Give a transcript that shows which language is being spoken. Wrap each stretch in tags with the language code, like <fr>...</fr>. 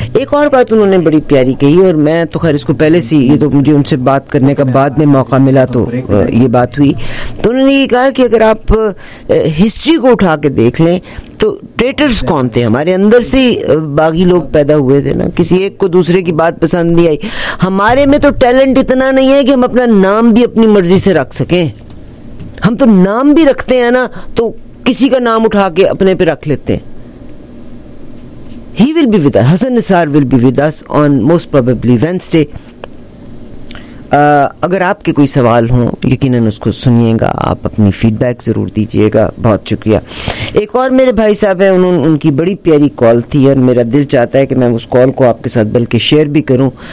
<ur>ایک اور بات انہوں نے بڑی پیاری کہی, اور میں تو خیر اس کو پہلے سے, یہ تو مجھے ان سے بات کرنے کا بعد میں موقع ملا تو یہ بات ہوئی, تو انہوں نے یہ کہا کہ اگر آپ ہسٹری کو اٹھا کے دیکھ لیں تو ٹریٹرز کون تھے, ہمارے اندر سے باغی لوگ پیدا ہوئے تھے نا, کسی ایک کو دوسرے کی بات پسند نہیں آئی. ہمارے میں تو ٹیلنٹ اتنا نہیں ہے کہ ہم اپنا نام بھی اپنی مرضی سے رکھ سکیں. ہم تو نام بھی رکھتے ہیں نا تو کسی کا نام اٹھا کے اپنے پہ رکھ لیتے ہیں.</ur> <en>He will be with us. Hasan Nisar will be with us on most probably Wednesday.</en> <ur>اگر آپ کے کوئی سوال ہوں یقیناً اس کو سنیے گا, آپ اپنی فیڈ بیک ضرور دیجیے گا. بہت شکریہ. ایک اور میرے بھائی صاحب ہیں, ان کی بڑی پیاری کال تھی اور میرا دل چاہتا ہے کہ میں اس کال کو آپ کے ساتھ بلکہ شیئر بھی کروں.</ur>